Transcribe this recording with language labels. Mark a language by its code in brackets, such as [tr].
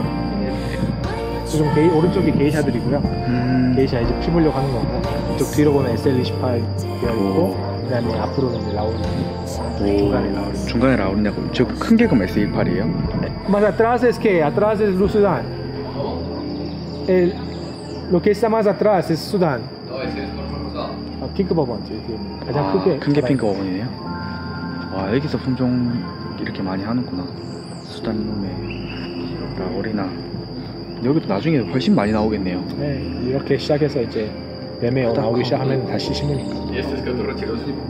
[es] en el. [ko] 게이, 오른쪽이 게이샤들이고요. 게이샤 이제 피우려고 하는 건데 이쪽 뒤로 보면 SL28 되어 있고 그다음에 앞으로는 라울이 중간에 라울. 중간에 라울이냐고. 저 큰 게 그럼 SL28이에요? 맞아. [es] Atrás es que atrás es el Sudán. El lo que está más atrás es Sudán. No, ese es por [ko] Sudán. 아, 핑크 버번 뒤에 가장 크게. 큰 게 핑크 버번이에요? 와, 여기서 품종 이렇게 많이 하는구나. 수단룸에 라오리나 여기도 나중에 훨씬 많이 나오겠네요. 네, 이렇게 시작해서 이제 매매 나오기 시작하면 다시 심으니까. [es] Este es catorachiroso.